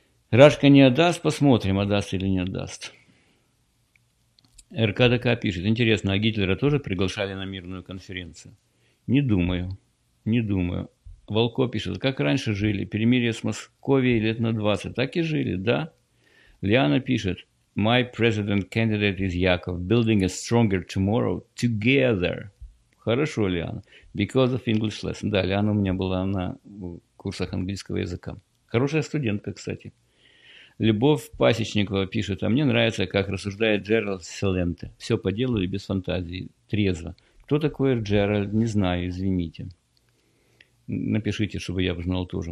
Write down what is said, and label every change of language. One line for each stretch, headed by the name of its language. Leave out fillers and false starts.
Russian: Рашка не отдаст, посмотрим, отдаст или не отдаст. РКДК пишет. Интересно, а Гитлера тоже приглашали на мирную конференцию? Не думаю. Волко пишет. Как раньше жили? Перемирие с Московией лет на 20. Так и жили, да? Лиана пишет.
English: My president candidate is Яков. Building a stronger tomorrow together.
Russian: Хорошо,
English: Лиана. Because of English lesson.
Russian: Да, Лиана у меня была на курсах английского языка. Хорошая студентка, кстати. Любовь Пасечникова пишет. А мне нравится, как рассуждает Джеральд Селенте. Все по делу и без фантазии. Трезво. Кто такой Джеральд? Не знаю, извините. Напишите, чтобы я узнал тоже.